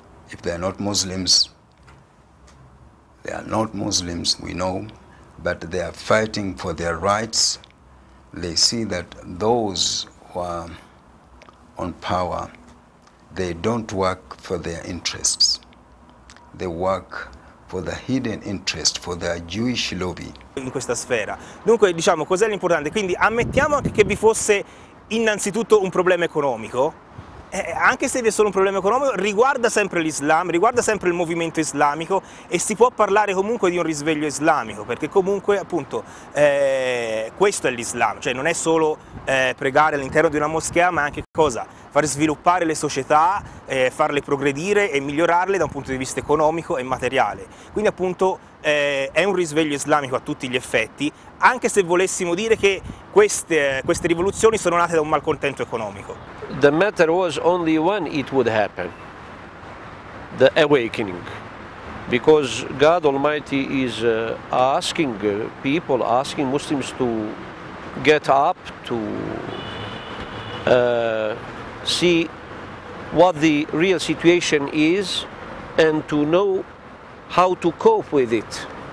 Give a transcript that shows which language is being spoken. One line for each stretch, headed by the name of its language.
English: If they are not Muslims, they are not Muslims, we know, but they are fighting for their rights. They see that those who are on power, they don't work for their interests. They work for the hidden interest for the Jewish lobby.
Italian: In questa sfera. Dunque, diciamo, cos'è l'importante? Quindi ammettiamo anche che vi fosse innanzitutto un problema economico. Anche se vi è solo un problema economico, riguarda sempre l'Islam, riguarda sempre il movimento islamico e si può parlare comunque di un risveglio islamico, perché comunque appunto questo è l'Islam, cioè non è solo pregare all'interno di una moschea, ma anche cosa? Far sviluppare le società, farle progredire e migliorarle da un punto di vista economico e materiale. Quindi appunto è un risveglio islamico a tutti gli effetti, anche se volessimo dire che queste rivoluzioni sono nate da un malcontento economico.
English: The matter was only when it would happen, the awakening, because God Almighty is asking people, asking Muslims to get up, to see what the real situation is and to know how to cope with it.